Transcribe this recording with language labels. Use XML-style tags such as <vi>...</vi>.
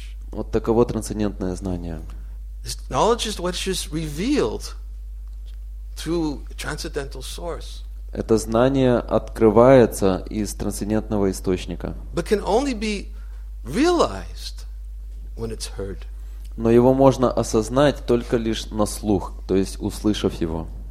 <ru>Вот таково трансцендентное знание.</ru> <en>Knowledge is what is revealed through transcendental source.</en> <ru>Это знание открывается из трансцендентного источника.</ru> <en>But can only be realized when it's heard.</en> <ru>Но его можно осознать только лишь на слух, то есть услышав его.</ru>